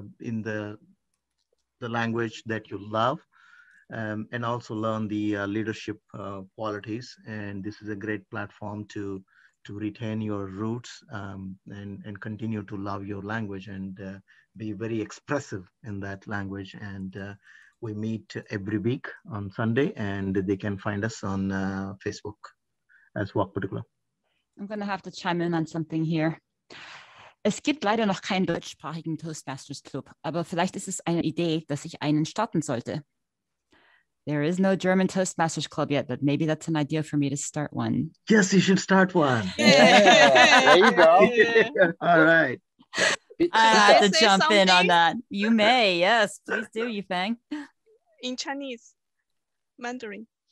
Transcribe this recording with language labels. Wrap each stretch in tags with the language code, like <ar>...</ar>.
<en>In the language that you love and also learn the leadership qualities and this is a great platform to to retain your roots and continue to love your language and be very expressive in that language. And we meet every week on Sunday and they can find us on Facebook as Vakpatugalu. I'm going to have to chime in on something here.</en> <de>Es gibt leider noch keinen deutschsprachigen Toastmasters Club, aber vielleicht ist es eine Idee, dass ich einen starten sollte.</de> <en>There is no German Toastmasters Club yet, but maybe that's an idea for me to start one. Yes, you should start one. Yeah. There you go. Yeah. All right. I have to jump something? In on that. You may, yes. Please do, Yifang. In Chinese, Mandarin.</en>